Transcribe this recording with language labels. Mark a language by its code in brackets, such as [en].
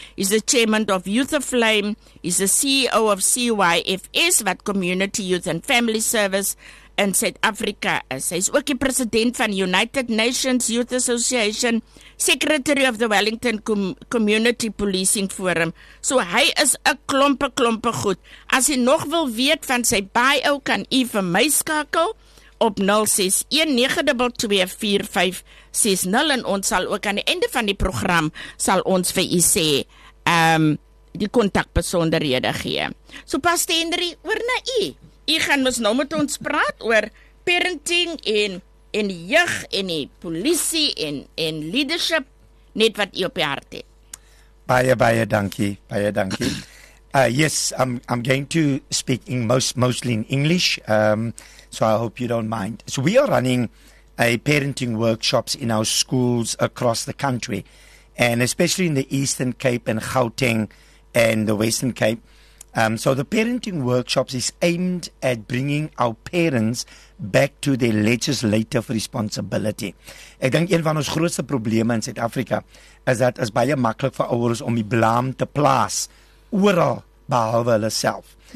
[en] He's the chairman of Youth Aflame. He's the CEO of CYFS, what Community Youth and Family Service in South Africa is. He's also the president of United Nations Youth Association, secretary of the Wellington Community Policing Forum. [af] So hy is 'n klompe klompe goed. As hy nog wil weet van sy bio, kan u vir my skakel op 0619224560 en ons sal ook aan die einde van die program sal ons vir u sê die kontakbesonderhede gee. So Pastor Henry, oor na u. U gaan mos nou met ons praat oor parenting en die jeug en die polisie en leadership, net wat u op die hart het. Baie dankie. [en] Yes, I'm going to speak in mostly in English. So I hope you don't mind. So we are running a parenting workshops in our schools across the country, and especially in the Eastern Cape and Gauteng and the Western Cape. So the parenting workshops is aimed at bringing our parents back to their legislative responsibility. [af] Ek dink een van ons grootste probleme in Suid-Afrika is dat is baie maklik vir ouers om die blame te plaas oral behalwe hulle self.